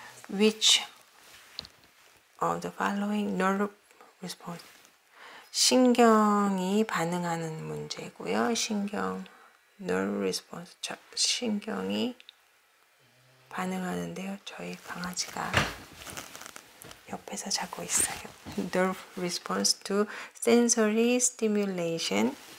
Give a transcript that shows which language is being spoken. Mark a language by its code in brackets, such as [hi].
[en] Which of the following nerve response? [ko] 신경이 반응하는 문제고요. 신경, nerve response. 신경이 반응하는데요. 저희 강아지가 옆에서 자고 있어요. [en] Nerve response to sensory stimulation.